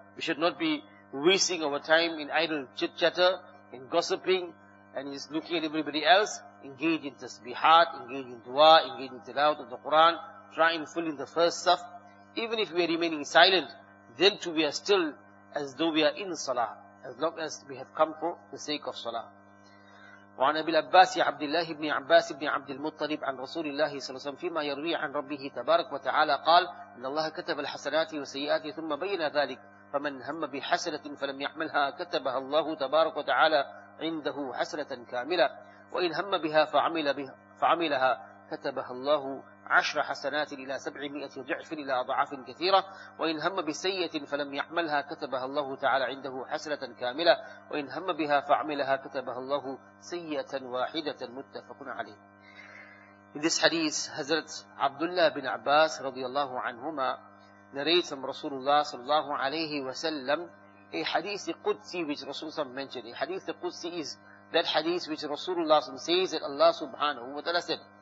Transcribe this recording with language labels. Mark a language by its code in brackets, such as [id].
[en] We should not be wasting our time in idle chit-chatter, in gossiping, and just looking at everybody else. Engage in tasbihat, engage in dua, engage in tilawat of the Quran, try and fill in the first saf. Even if we are remaining silent, then too we are still as though we are in salah, as long as we have come for the sake of salah. [ar] وعن أبي العباس عبد الله بن عباس بن عبد المطلب عن رسول الله صلى الله عليه وسلم فيما يروي عن ربه تبارك وتعالى قال إن الله كتب الحسنات والسيئات ثم بين ذلك فمن هم بحسنة فلم يعملها كتبها الله تبارك وتعالى عنده حسنة كاملة وإن هم بها فعملها كتبها الله 10 حسنات إلى 700 ضعف إلى أضعاف كثيرة وإن هم بسيئة فلم يعملها كتبها الله تعالى عنده حسنة كاملة وإن هم بها فعملها كتبها الله سيئة واحدة متفق عليه. [en] In this hadith, Hazrat Abdullah bin Abbas رضي الله عنهما narrates from Rasulullah صلى الله عليه وسلم a hadith Qudsi which Rasulullah mentioned. A hadith Qudsi is that hadith which Rasulullah says that Allah subhanahu wa ta'ala said.